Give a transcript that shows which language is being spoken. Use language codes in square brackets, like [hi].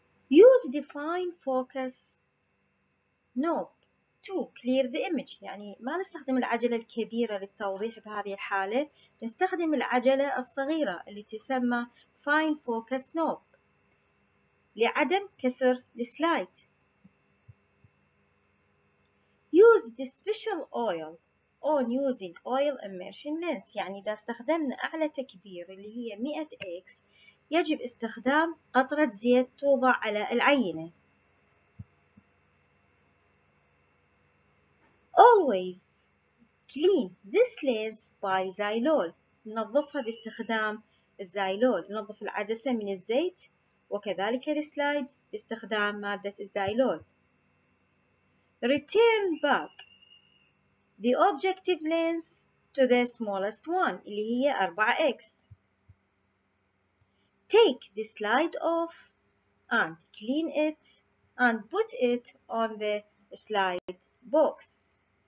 [en] Use the fine focus knob to clear the image. [ar] يعني ما نستخدم العجلة الكبيرة للتوضيح بهذه الحالة. نستخدم العجلة الصغيرة اللي تسمى [en] fine focus knob [ar] لعدم كسر السلايد. [en] Use the special oil on using oil immersion lens. [ar] يعني إذا استخدمنا أعلى تكبير اللي هي 100x يجب استخدام قطرة زيت توضع على العينة. [en] Always clean this lens by xylol. [ar] ننظفها باستخدام الزايلول. ننظف العدسة من الزيت وكذلك السلايد باستخدام مادة الزايلول. [en] Return back the objective lens to the smallest one [ar] اللي هي [en] 4x. Take the slide off and clean it and put it on the slide box.